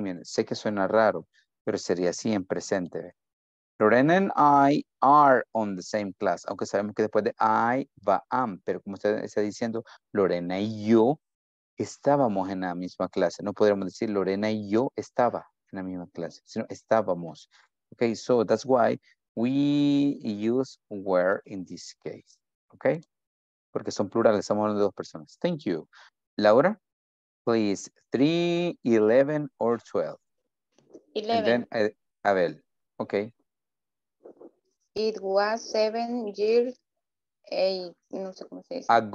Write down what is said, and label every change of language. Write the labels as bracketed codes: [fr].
[es] Miren, sé que suena raro, pero sería así en presente. [en] Lorena and I are on the same class. [es] Aunque sabemos que después de I va am. Pero como usted está diciendo, Lorena y yo estábamos en la misma clase. No podríamos decir Lorena y yo estaba en la misma clase, sino estábamos. [en] Okay, so that's why we use were in this case. Okay? [es] Porque son plurales, estamos hablando de dos personas. [en] Thank you. Laura, please. 3, 11 or 12? 11. And then Abel. Okay. It was 7 years [es] no sé cómo se dice.